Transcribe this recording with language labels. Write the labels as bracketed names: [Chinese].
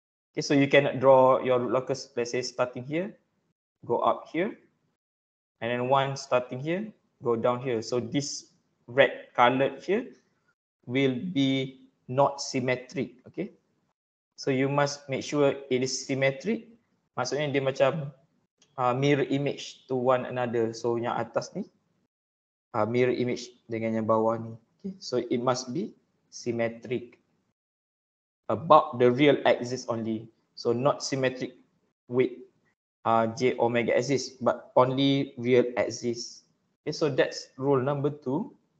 [English] Okay, so you cannot draw your root locus, let's say starting here, go up here, and then one starting here, go down here. So this red color here will be not symmetric, okay? So you must make sure it is symmetric. [Malay] Maksudnya dia macam [English] mirror image to one another. [Malay] So yang atas ni, mirror image dengan yang bawah ni. [English] Okay? So it must be symmetric about the real axis only. So not symmetric with J omega axis, but only real axis. Okay, so that's rule number 2.